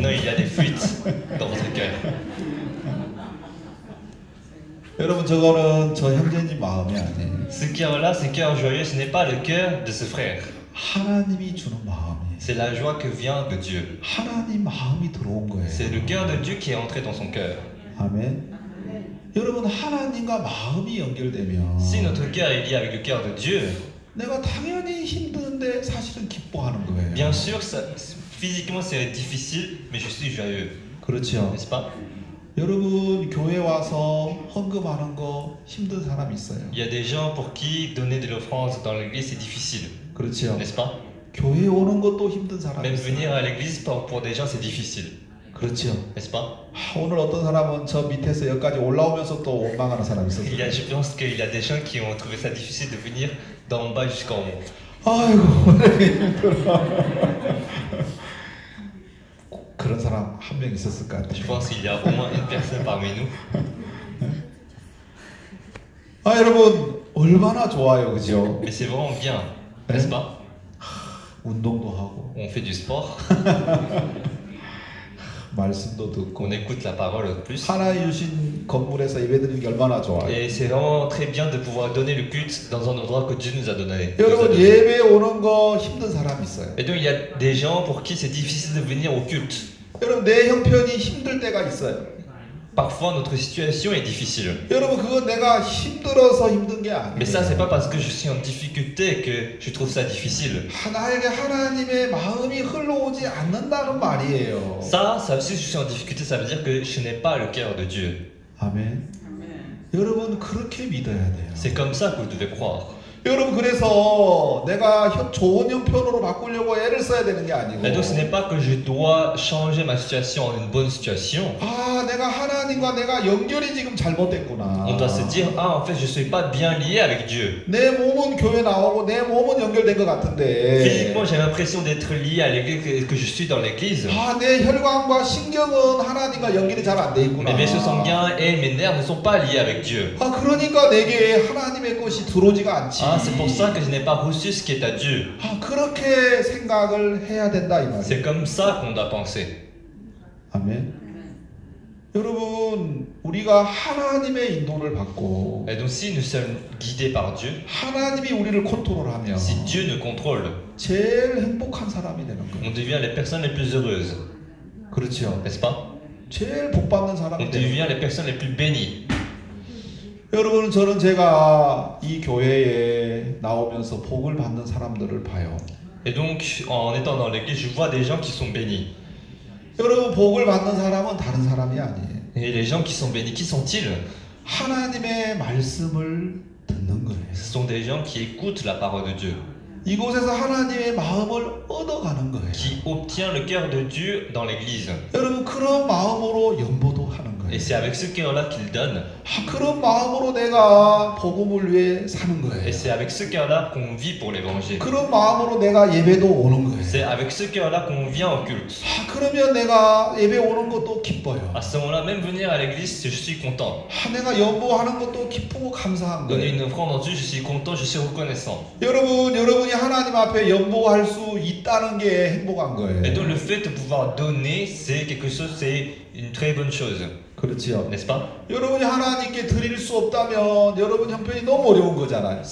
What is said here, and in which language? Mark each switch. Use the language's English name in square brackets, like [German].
[French] Non, il y a des fuites dans votre cœur. [Korean] 여러분, 저거는 저 형제님 마음이 아니에요. [French] Ce cœur-là, ce cœur joyeux, ce n'est pas le cœur de ce frère. [Korean] 하나님이 주는 마음이에요. [French] C'est la joie que vient de Dieu. [Korean] 하나님 마음이 들어온 [French] C'est le [Korean] 거예요. [French] cœur de Dieu qui est entré dans son cœur. [Korean] 아멘. 여러분, 하나님과 마음이 연결되면 [French] Si notre cœur est lié avec le cœur de Dieu, [Korean] 내가 당연히 힘든데 사실은 기뻐하는 [French] Bien sûr, ça, physiquement c'est difficile, mais je suis joyeux. [Korean] 거예요. [French] N'est-ce pas? [Korean] 여러분 교회 와서 헌금하는 거 힘든 사람 있어요. [French] Il y a des gens pour qui donner de l'offrande dans l'église c'est difficile. [Korean] 그렇죠. [French] N'est-ce pas? [Korean] 교회 오는 것도 힘든 사람 [French] Même [Korean] 있어요. [French] venir à l'église pour des gens c'est difficile. [Korean] 그렇죠. [French] N'est-ce pas? [Korean] 오늘 어떤 사람은 저 밑에서 여기까지 올라오면서 또 원망하는 사람 있었어요. [French] Il y a, je pense qu'il y a des gens qui ont trouvé ça difficile de venir. D'en bas jusqu'en haut. [Korean] 아이고, 그런 사람 한명 있었을 것 [French] Je pense qu'il y a au moins une personne parmi nous. [Korean] 아, 여러분, 얼마나 좋아요, 그죠? [French] Mais c'est vraiment bien, n'est-ce pas? [Korean] 운동도 하고, [French] On fait du sport. [Korean] 말씀도 [French] On [Korean] 듣고, [French] écoute la parole en plus. [Korean] 살아주신 건물에서 예배드리는 게 얼마나 좋아요. [French] Et c'est vraiment très bien de pouvoir donner le culte dans un endroit que Dieu nous a donné. [Korean] 여러분, 예배 오는 거 힘든 사람 있어요. [French] Et donc il y a des gens pour qui c'est difficile de venir au culte. [Korean] 여러분, 내 형편이 힘들 때가 있어요. [French] Parfois notre situation est difficile. [Korean] 여러분, 그건 내가 힘들어서 힘든 게 아니에요. [French] Mais ça c'est pas parce que je suis en difficulté que je trouve ça difficile. [Korean] 나에게 하나님의 마음이 흘러오지 않는다는 말이에요. [French] Ça, ça si je suis en difficulté, ça veut dire que je n'ai pas le cœur de Dieu. Amen. Amen. [Korean] 여러분, 그렇게 믿어야 돼요. [French] C'est comme ça que vous devez croire. [Korean] 여러분 그래서 내가 좋은 형편으로 바꾸려고 애를 써야 되는 게 아니고. [French] Mais donc ce n'est pas que je dois changer ma situation en une bonne situation. [Korean] 아, 내가 하나님과 내가 연결이 지금 잘못됐구나. [French] On doit se dire, ah, en fait, je suis pas bien lié avec Dieu. [Korean] 내 몸은 교회 나오고 내 몸은 연결된 것 같은데. [French] Physiquement, j'ai l'impression d'être lié à l'église, que je suis dans l'église. [Korean] 아, 내 혈관과 신경은 하나님과 연결이 잘 안 돼 있구나. [French] Mes vaisseaux sanguins et mes nerfs ne sont pas liés avec Dieu. [Korean] 아, 그러니까 내게 하나님의 것이 들어오지가 않지. [French] Ah, c'est pour ça que je n'ai pas reçu ce qui est à Dieu. [Korean] Ah, 그렇게 생각을 해야 된다 이 말. [French] C'est comme ça qu'on doit penser. Amen. [Korean] 여러분, 우리가 하나님의 인도를 받고. [French] Et donc si nous sommes guidés par Dieu. [Korean] 하나님이 우리를 컨트롤하면. [French] Si Dieu nous contrôle. [Korean] 제일 행복한 사람이 되는 거. [French] On devient les personnes les plus heureuses. [Korean] 그렇죠. [French] N'est-ce pas? [Korean] 제일 복 받는 사람이. [French] On devient les personnes les plus bénies. [Korean] 여러분, 저는 제가 이 교회에 나오면서 복을 받는 사람들을 봐요. [French] Et donc, en étant dans l'église, je vois des gens qui sont bénis. [Korean] 여러분, 복을 받는 사람은 다른 사람이 아니에요. [French] Et les gens qui sont bénis, qui sont-ils? [Korean] 하나님의 말씀을 듣는 거예요. [French] Ce sont des gens qui écoutent la parole de Dieu. [Korean] 이곳에서 하나님의 마음을 얻어가는 거예요. [French] Qui obtient le cœur de Dieu dans l'église. [Korean] 여러분, 그런 마음으로 연보도 하는 거예요. [French] Et c'est avec ce cœur-là qu'il donne. [Korean] 아, 그런 마음으로 내가 복음을 위해 사는 거예요. [French] Et c'est avec ce cœur-là qu'on vit pour l'évangile. [Korean] 그런 마음으로 내가 예배도 오는 거예요. [French] C'est avec ce cœur-là qu'on vient au culte. [Korean] 아, 그러면 내가 예배 오는 것도 기뻐요. [French] À ce moment-là, même venir à l'église, je suis content. [Korean] 아, 내가 연보하는 것도 기쁘고 감사한 거예요. [French] Donner une offrande en Dieu, je suis content, je suis reconnaissant. [Korean] 여러분, 하나님 앞에 연보할 수 있다는 게 행복한 거예요. [French] Et donc le fait de pouvoir donner, c'est quelque chose, c'est une très bonne chose. [Korean] 그렇지요. [French] N'est-ce pas? [Korean] 여러분이 하나님께 드릴 수 없다면 여러분 형편이 너무 어려운 거잖아요.